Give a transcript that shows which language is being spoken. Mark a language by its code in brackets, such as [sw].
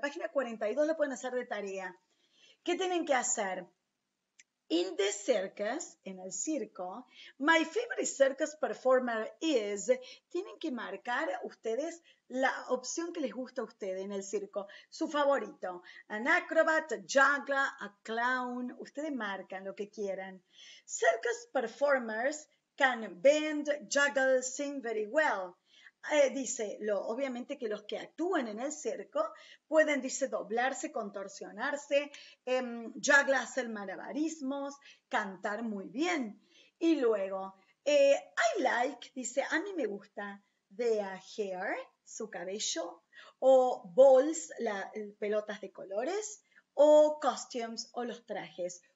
[es] La página 42 lo pueden hacer de tarea. ¿Qué tienen que hacer? [en] In the circus, [es] en el circo, [en] my favorite circus performer is... [es] Tienen que marcar ustedes la opción que les gusta a ustedes en el circo. Su favorito. [en] An acrobat, a juggler, a clown. [es] Ustedes marcan lo que quieran. [en] Circus performers can bend, juggle, sing very well. [es] Dice, obviamente que los que actúan en el circo pueden, dice, doblarse, contorsionarse, juggle, hacer malabarismos, cantar muy bien. Y luego, [en] I like, [es] dice, a mí me gusta [en] their hair, [es] su cabello, o balls, pelotas de colores, o costumes, o los trajes.